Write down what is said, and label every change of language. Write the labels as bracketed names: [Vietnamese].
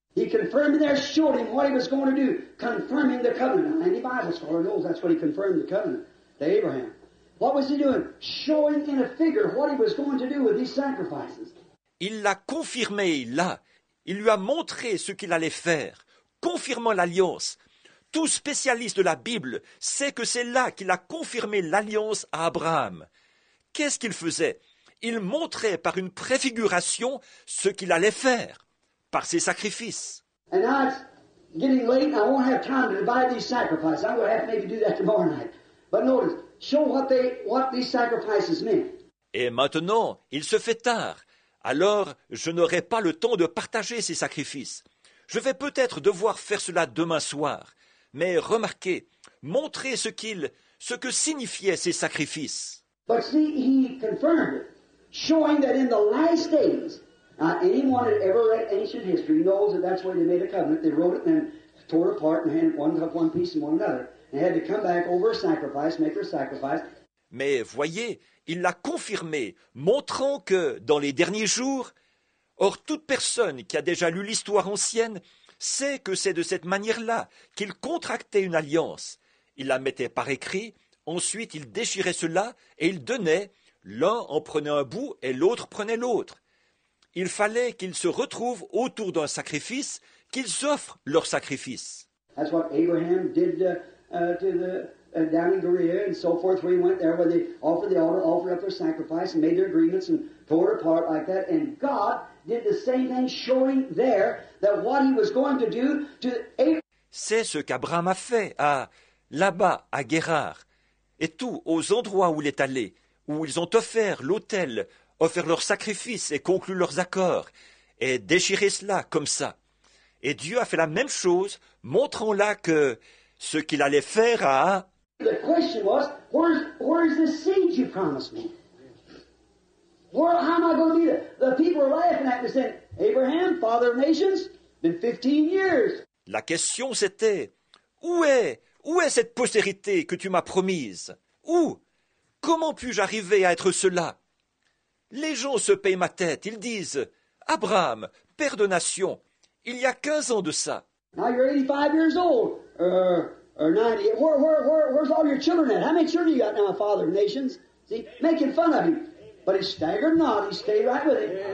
[English] He confirmed there, showed him what he was going to do, confirming the covenant. Any Bible scholar knows that's what he confirmed the covenant to Abraham. What was he doing? Showing in a figure what he was going to do with these sacrifices. [French] Il l'a confirmé là. Il lui a montré ce qu'il allait faire, confirmant l'alliance. Tout spécialiste de la Bible sait que c'est là qu'il a confirmé l'alliance à Abraham. Qu'est-ce qu'il faisait? Il montrait par une préfiguration ce qu'il allait faire. Par ses sacrifices. [English] And now it's getting late and I won't have time to divide these sacrifices. I'm going to have to maybe do that tomorrow night. But notice, show what these sacrifices mean. [French] Et maintenant, il se fait tard. Alors, je n'aurai pas le temps de partager ces sacrifices. Je vais peut-être devoir faire cela demain soir. Mais remarquez, montrez ce que signifiaient ces sacrifices. [English] But see, he confirmed it, showing that in the last days, now, anyone that ever read ancient history knows that that's where they made a covenant. They wrote it and tore apart and handed one took one piece and one another. They had to come back over a sacrifice, make their sacrifice. [French] Mais voyez, il l'a confirmé, montrant que dans les derniers jours, or toute personne qui a déjà lu l'histoire ancienne sait que c'est de cette manière-là qu'il contractait une alliance. Il la mettait par écrit, ensuite il déchirait cela et il donnait, l'un en prenait un bout et l'autre prenait l'autre. Il fallait qu'ils se retrouvent autour d'un sacrifice, qu'ils offrent leur sacrifice. [English] That's what Abraham did down in Korea and so forth, where he went there, where they offered the altar, offered up their sacrifice and made their agreements and tore it apart like that. And God did the same thing, showing there that what he was going to do to Abraham. [French] C'est ce qu'Abraham a fait à là-bas, à Guérar, et tout, aux endroits où il est allé, où ils ont offert l'autel, offert leur sacrifice et conclu leurs accords, et déchiré cela comme ça. Et Dieu a fait la même chose, montrant là que ce qu'il allait faire à... [English] The question was, where's the seed you promised me? How am I going to do that? The people are laughing at me saying, Abraham, father of nations, been 15 years. [French] La question c'était, où est cette postérité que tu m'as promise? Où? Comment puis-je arriver à être cela? Les gens se payent ma tête, ils disent, Abraham, père de nations, il y a 15 ans de ça. [English] Now you're 85 years old. Or 90. Where's all your children at? How many children you got now, father of nations? See, making fun of him. But he staggered not, he stayed right with him.